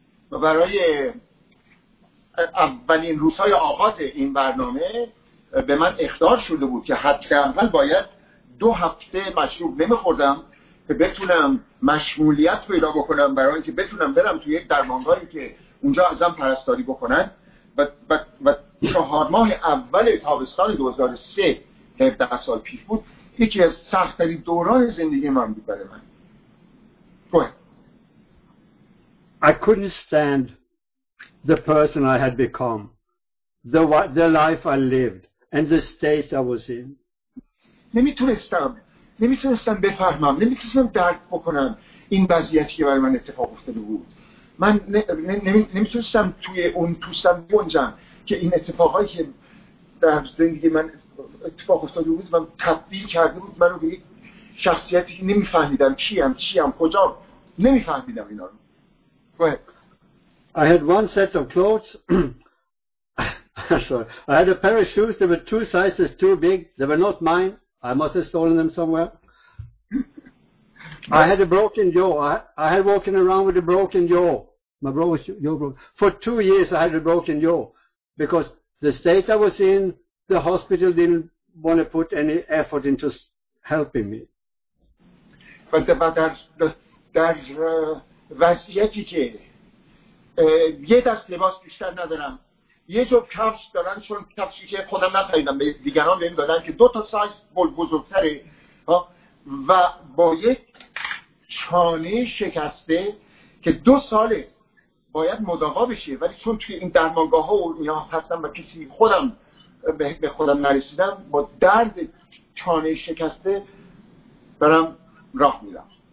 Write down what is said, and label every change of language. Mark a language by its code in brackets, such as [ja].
[fa] برای اولین روزهای آغاز این برنامه به من اخطار شده بود که حداقل باید 2 هفته مشروب نمیخوردم که بتونم مشمولیت پیدا بکنم برای اینکه بتونم برم توی یک درمانگاهی که اونجا ازم پرستاری بکنن. و 4 ماه اول تابستان 2003 17 سال پیش بود، یکی از سخت‌ترین دوران زندگی من بود برای من. [en] I couldn't stand the person I had become, the life I lived and the state I was in. [fa] نمیتونستم بفهمم، نمیتونستم درک بکنم این وضعیتی که برای من اتفاق افتاده بود. من نمیتونستم توی اون توستم بونجم که این اتفاقایی که در زندگی من اتفاق افتاده بود و تبدیل کرده بود منو به یک شخصیتی که نمیفهمیدم چیم کجا، نمیفهمیدم اینا رو. [en] I had one set of clothes. Sorry. I had a pair of shoes. They were 2 sizes too big. They were not mine. I must have stolen them somewhere. I had a broken jaw. I had walking around with a broken jaw. My brother's jaw broke. For 2 years I had a broken jaw because the state I was in, the hospital didn't want to put any effort into helping me. But that's [fa] وضعیتی که یه دست لباس بیشتر ندارم، یه جور کفش دارن چون کفشی که خودم نخریدم به دیگران بهم دادن که 2 سایز بزرگتره، و با یک چانه شکسته که 2 ساله باید مداوا بشه، ولی چون توی این درمانگاه ها و نیاه هستم و کسی خودم به خودم نرسیدم، با درد چانه شکسته دارم راه میرم.